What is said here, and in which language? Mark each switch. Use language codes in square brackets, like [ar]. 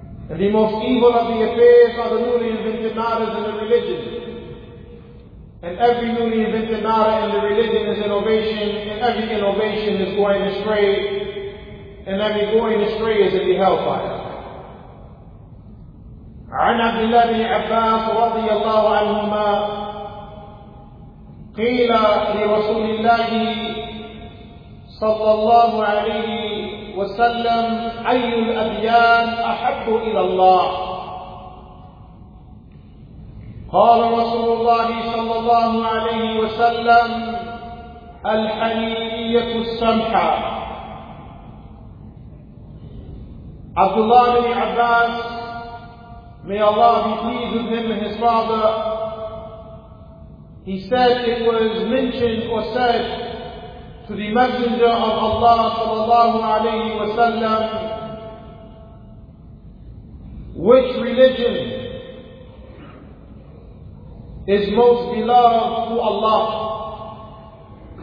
[en] And the most evil of the affairs are the newly invented matters in the religion. And every newly invented matter in the religion is innovation, and every innovation is going astray, and every going astray is in the hellfire. [ar] عن عبد الله بن عباس رضي الله عنهما قيل لرسول الله صلى الله عليه وسلم أي الأديان أحب إلى الله؟ قال رسول الله صلى الله عليه وسلم الحنيفيه السمحة [en] Abdullah bin Abbas, may Allah be pleased with him and his father, he said it was mentioned or said to the Messenger of Allah sallallahu alayhi wa sallam, which religion is most beloved to Allah?